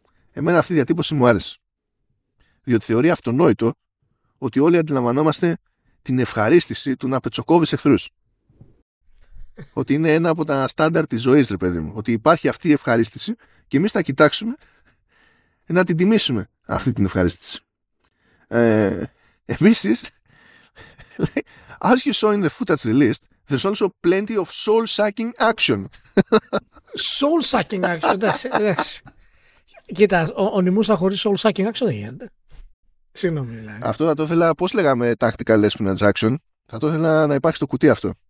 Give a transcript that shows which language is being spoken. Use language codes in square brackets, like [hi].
[el] Εμένα αυτή η διατύπωση μου άρεσε, διότι θεωρεί αυτονόητο ότι όλοι αντιλαμβανόμαστε την ευχαρίστηση του να πετσοκόβεις εχθρούς. Ότι είναι ένα από τα στάνταρ της ζωής, ρε παιδί μου. Ότι υπάρχει αυτή η ευχαρίστηση και εμείς θα κοιτάξουμε να την τιμήσουμε αυτή την ευχαρίστηση. Επίσης, [en] as you saw in the footage released, there's also plenty of soul-sucking action. Soul-sucking action, yes. [el] Κοίτα, ο Onimusha χωρίς soul-sucking action δεν γίνεται. Συγγνώμη, δηλαδή. Αυτό θα το ήθελα, πώς λέγαμε, [en] tactical espionage action. [el] Θα το ήθελα να υπάρχει στο κουτί αυτό.